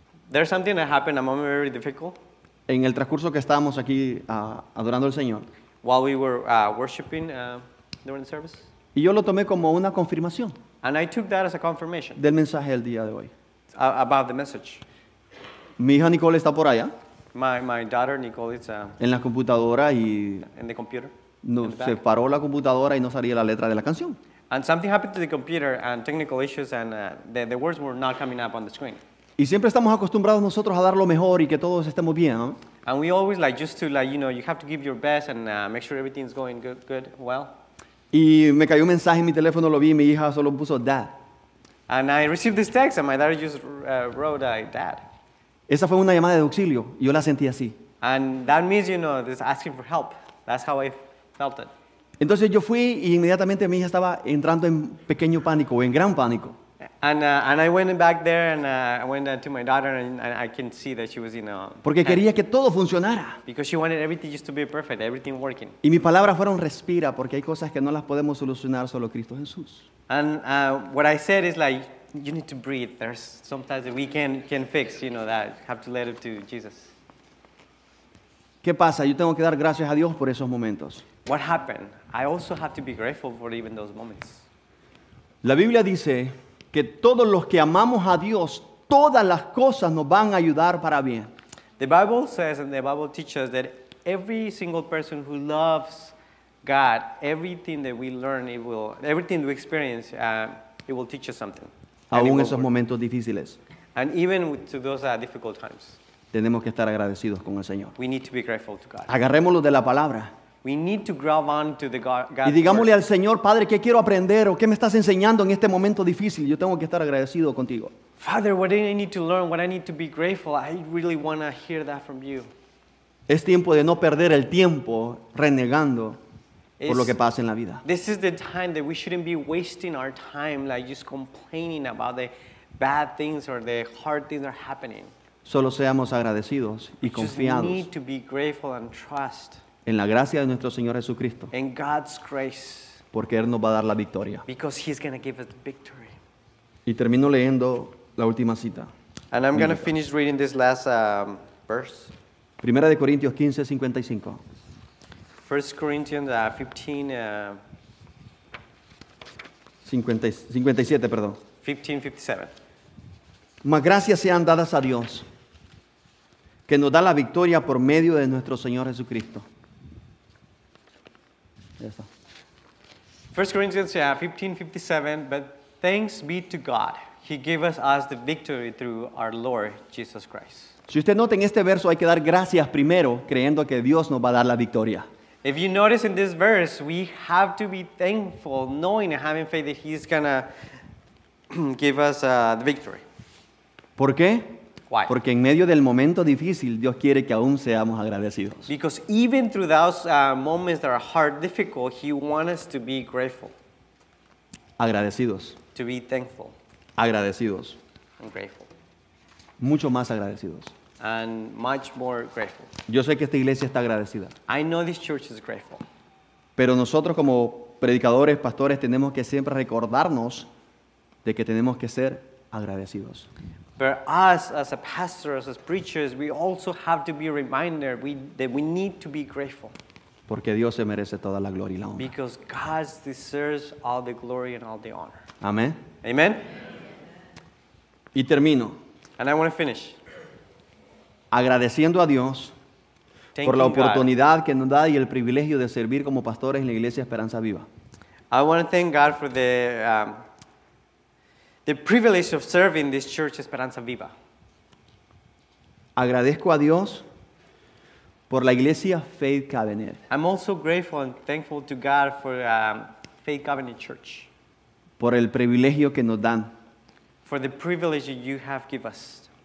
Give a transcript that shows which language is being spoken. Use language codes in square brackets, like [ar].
[en] There's something that happened, a moment very difficult. [es] En el transcurso que estábamos aquí adorando al Señor. [en] While we were worshiping during the service. [es] Y yo lo tomé como una confirmación. [en] And I took that as a confirmation. [es] Del mensaje del día de hoy. [en] About the message. [es] Mi hija Nicole está por allá. [en] My daughter Nicole is. [es] En la computadora y. [en] In the computer. [es] No, se paró la computadora y no salía la letra de la canción. [en] And something happened to the computer and technical issues and the words were not coming up on the screen. [es] Y siempre estamos acostumbrados nosotros a dar lo mejor y que todos estemos bien, ¿no? [en] And we always like just to like, you know, you have to give your best and make sure everything's going good, well. [es] Y me cayó un mensaje en mi teléfono, lo vi, y mi hija solo puso dad. [en] And I received this text and my daughter just wrote dad. [es] Esa fue una llamada de auxilio, yo la sentí así. [en] And that means, you know, just asking for help. That's how I felt it. [es] Entonces yo fui y inmediatamente mi hija estaba entrando en pequeño pánico, en gran pánico. [en] And I went back there and I went to my daughter and I can see that she was, you know. [es] Porque quería que todo funcionara. [en] Because she wanted everything just to be perfect, everything working. [es] Y mi palabra fueron respira porque hay cosas que no las podemos solucionar solo Cristo Jesús. [en] And what I said is like, you need to breathe. There's sometimes that we can fix, you know, that you have to let it to Jesus. [es] ¿Qué pasa? Yo tengo que dar gracias a Dios por esos momentos. [en] What happened? I also have to be grateful for even those moments. [es] La Biblia dice que todos los que amamos a Dios, todas las cosas nos van a ayudar para bien. [en] The Bible says and the Bible teaches that every single person who loves God, everything that we learn, it will, everything we experience, it will teach us something. [es] Aún esos momentos difíciles. [en] And even to those difficult times. [es] Tenemos que estar agradecidos con el Señor. [en] We need to be grateful to God. [es] Agarrémoslo de la palabra. [en] We need to grab on to the God. [es] Y digámosle al Señor, Padre, ¿qué quiero aprender o qué me estás enseñando en este momento difícil? Yo tengo que estar agradecido contigo. [en] Father, what do I need to learn? What I need to be grateful? I really want to hear that from you. [es] Es tiempo de no perder el tiempo renegando por lo que pasa en la vida. [en] This is the time that we shouldn't be wasting our time like just complaining about the bad things or the hard things that are happening. [es] Solo seamos agradecidos y confiados. [en] We need to be grateful and trust. [es] En la gracia de nuestro Señor Jesucristo. [en] In God's grace. [es] Porque Él nos va a dar la victoria. [en] Because He's going to give us the victory. [es] Y termino leyendo la última cita. [en] And I'm going to finish reading this last verse. [es] Primera de Corintios 15:55. [en] 1 Corinthians 15. [es] 57, perdón. [en] 15:57. [es] Mas gracias sean dadas a Dios, que nos da la victoria por medio de nuestro Señor Jesucristo. [en] 1 Corinthians 15:57, but thanks be to God. He gave us the victory through our Lord Jesus Christ. [es] Si usted nota en este verso, hay que dar gracias primero, creyendo que Dios nos va a dar la victoria. [en] If you notice in this verse, we have to be thankful, knowing and having faith that He's going to give us the victory. [es] ¿Por qué? [en] Why? [es] Porque en medio del momento difícil, Dios quiere que aún seamos agradecidos. [en] Because even through those moments that are hard, difficult, He wants us to be grateful. [es] Agradecidos. [en] To be thankful. [es] Agradecidos. [en] And grateful. [es] Mucho más agradecidos. [en] And much more grateful. [es] Yo sé que esta iglesia está agradecida. [en] I know this church is grateful. [es] Pero nosotros como predicadores, pastores, tenemos que siempre recordarnos de que tenemos que ser agradecidos. [en] But us, as a pastors, as preachers, we also have to be reminded that we need to be grateful. [es] Porque Dios se merece toda la gloria y la honra. [en] Because God deserves all the glory and all the honor. Amen. Amen. [es] Y termino. [en] And I want to finish. [es] Agradeciendo a Dios. [en] Thanking [es] por la oportunidad God. Que nos da y el privilegio de servir como pastores en la Iglesia Esperanza Viva. [en] I want to thank God for the privilege of serving this church Esperanza Viva. [es] Agradezco a Dios por la Iglesia Faith Covenant. [en] I'm also grateful and thankful to God for Faith Covenant Church. [es] Por el privilegio que nos dan. [en] For the privilege that you have given us.